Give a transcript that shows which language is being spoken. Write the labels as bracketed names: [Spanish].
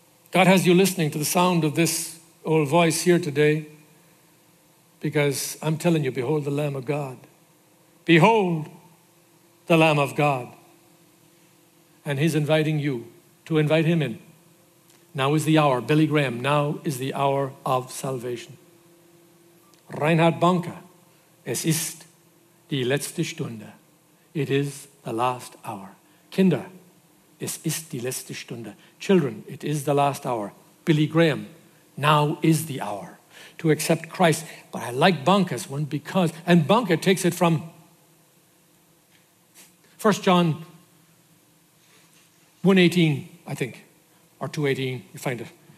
[English] God has you listening to the sound of this old voice here today because I'm telling you, behold the Lamb of God. Behold the Lamb of God. And he's inviting you to invite him in. Now is the hour, Billy Graham, now is the hour of salvation. [German] Reinhard Bonnke, es ist die letzte Stunde. [English] It is the last hour. [German] Kinder, es ist die letzte Stunde. [English] Children, it is the last hour. Billy Graham, now is the hour to accept Christ. But I like Bonnke's one because, and Bonnke takes it from 1 John 1:18, I think, or 2:18, you find it.